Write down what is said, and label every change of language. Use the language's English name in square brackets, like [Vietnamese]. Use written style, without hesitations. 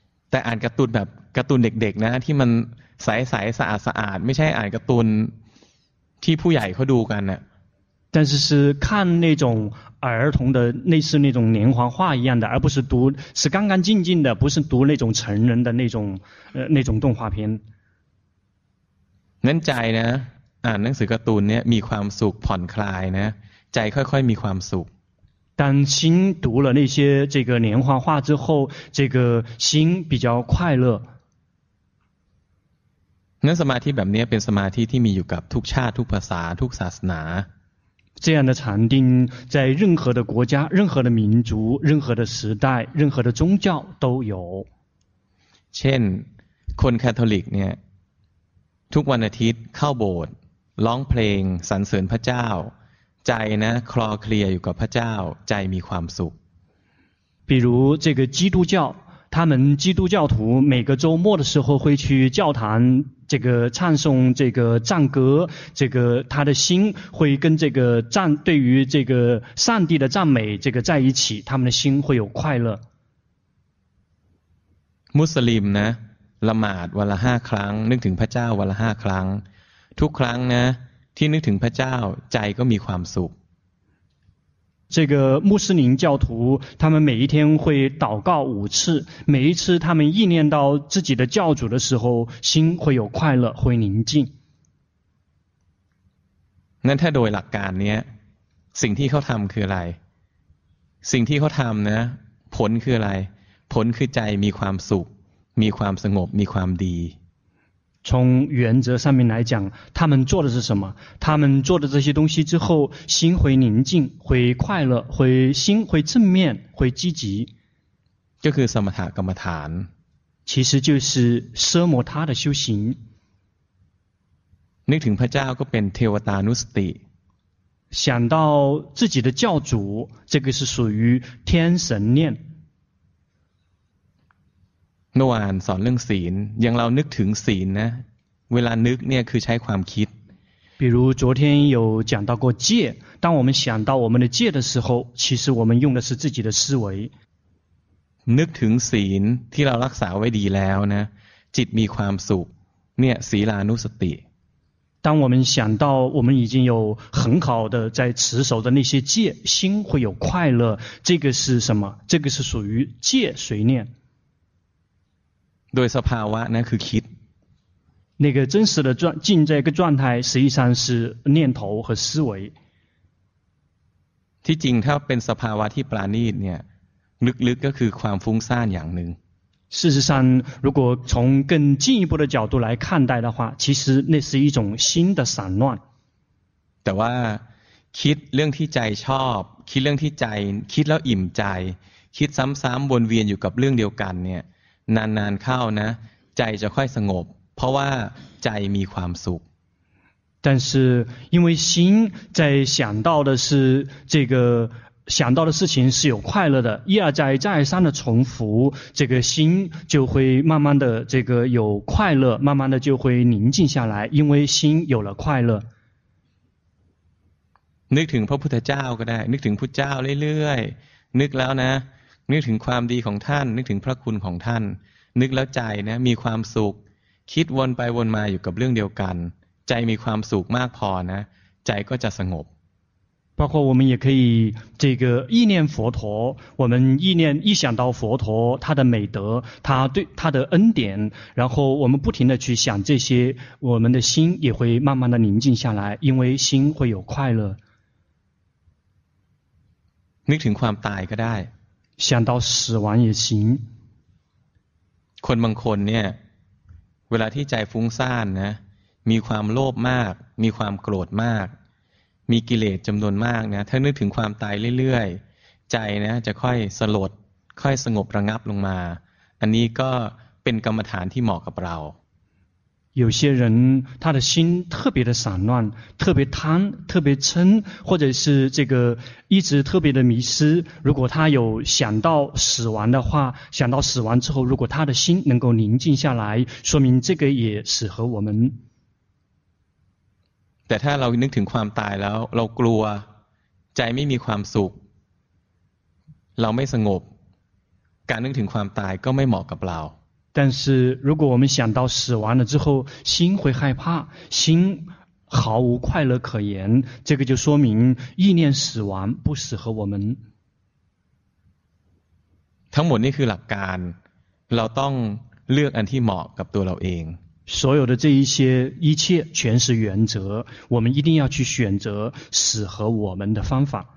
[Thai] แต่อ่านการ์ตูนแบบการ์ตูนเด็กๆนะที่มันใสๆสะอาดๆไม่ใช่อ่านการ์ตูนที่ผู้ใหญ่เขาดูกันน่ะ [Chinese] 但是是看那种儿童的类似那种连环画一样的而不是读是干干净净的不是读那种成人的那种那种动画片 [Thai] นั้นใจนะอ่านหนังสือการ์ตูนเนี่ยมีความสุขผ่อนคลายนะใจค่อยๆมีความสุข [Chinese] 当心读了那些这个连环画之后这个心比较快乐 [Thai] นั้นสมาธิแบบนี้เป็นสมาธิที่มีอยู่กับทุกชาติทุกภาษาทุกศาสนา [Chinese] 这样的禅定在任何的国家任何的民族任何的时代任何的宗教都有 [Thai] เช่นคนคาทอลิกเนี่ยทุกวันอาทิตย์เข้าโบสถ์ร้องเพลงสรรเสริญพระเจ้าใจนะคลอเคลียอยู่กับพระเจ้าใจมีความสุข [Chinese] 比如这个基督教他们基督教徒每个周末的时候会去教堂这个唱诵这个赞歌这个他的心会跟这个赞对于这个上帝的赞美这个在一起他们的心会有快乐穆斯林呢 [Thai] ละหมาดวันละห้าครั้งนึกถึงพระเจ้าวันละห้าครั้งทุกครั้งนะที่นึกถึงพระเจ้าใจก็มีความสุข [Chinese] 这个穆斯林教徒他们每一天会祷告五次每一次他们意念到自己的教主的时候心会有快乐会宁静 [Thai] 那ถ้าโดยหลักการเนี้ยสิ่งที่เขาทำคืออะไรสิ่งที่เขาทำนะผลคืออะไรผลคือใจมีความสุขมีความสงบมีความดี [Chinese] 从原则上面来讲他们做的是什么他们做的这些东西之后心会宁静会快乐会心会正面会积极就是什么塔什么塔其实就是奢摩他的修行你听 [Thai] พระเจ้าก็เป็นเทวตานุสติ [Chinese] 想到自己的教主这个是属于天神念 [Thai] เมื่อวานสอนเรื่องศีลอย่างเรานึกถึงศีลนะเวลานึกเนี่ยคือใช้ความคิด [Chinese] 比如昨天有讲到过戒当我们想到我们的戒的时候其实我们用的是自己的思维 [Thai] นึกถึงศีลที่เรารักษาไว้ดีแล้วนะจิตมีความสุขเนี่ยศีลานุสติ [Chinese] 当我们想到我们已经有很好的在持守的那些戒心会有快乐这个是什么这个是属于戒随念 [Thai] โดยสภาวะนั้นคือคิด [Chinese] 那个真实的状境这个状态实际上是念头和思维 [Thai] ที่จริงถ้าเป็นสภาวะที่ปราณีตเนี่ยลึกๆ ก็คือความฟุ้งซ่านอย่างหนึ่ง [Chinese] 事实上如果从更进一步的角度来看待的话其实那是一种心的散乱 [Thai] แต่ว่าคิดเรื่องที่ใจชอบคิดเรื่องที่ใจคิดแล้วอิ่มใจคิดซ้ำๆวนเวียนอยู่กับเรื่องเดียวกันเนี่ยนานๆเข้านะใจจะค่อยสงบเพราะว่าใจมีความสุข [Chinese] 但是因为心在想到的是这个想到的事情是有快乐的一而再再三的重复这个心就会慢慢的这个有快乐慢慢的就会宁静下来因为心有了快乐 [Thai] นึกถึงพระพุทธเจ้าก็ได้นึกถึงพุทธเจ้าเรื่อยๆนึกแล้วนะนึกถึงความดีของท่านนึกถึงพระคุณของท่านนึกแล้วใจนะมีความสุขคิดวนไปวนมาอยู่กับเรื่องเดียวกันใจมีความสุขมากพอนะใจก็จะสงบ [Chinese] 包括我们也可以这个意念佛陀，我们意念一想到佛陀他的美德，他对他的恩典，然后我们不停的去想这些，我们的心也会慢慢的宁静下来，因为心会有快乐。 [Thai] นึกถึงความตายก็ได้ [Chinese] 想到死亡也行 [Thai] คนบางคนเนี่ยเวลาที่ใจฟุ้งซ่านนะมีความโลภมากมีความโกรธมากมีกิเลสจำนวนมากนะถ้านึกถึงความตายเรื่อยๆใจนะจะค่อยสลดค่อยสงบระงับลงมาอันนี้ก็เป็นกรรมฐานที่เหมาะกับเรา [Chinese] 有些人他的心特别的散乱，特别贪，特别嗔，或者是这个一直特别的迷失。如果他有想到死亡的话，想到死亡之后，如果他的心能够宁静下来，说明这个也适合我们。 [Thai] แต่ถ้าเรานึกถึงความตายแล้วเรากลัวใจไม่มีความสุขเราไม่สงบการนึกถึงความตายก็ไม่เหมาะกับเรา [Chinese] 但是如果我们想到死亡了之后心会害怕心毫无快乐可言这个就说明意念死亡不适合我们 [Thai] ทั้งหมดนี่คือหลักการเราต้องเลือกอันที่เหมาะกับตัวเราเอง [Chinese] 所有的这一些一切全是原则我们一定要去选择适合我们的方法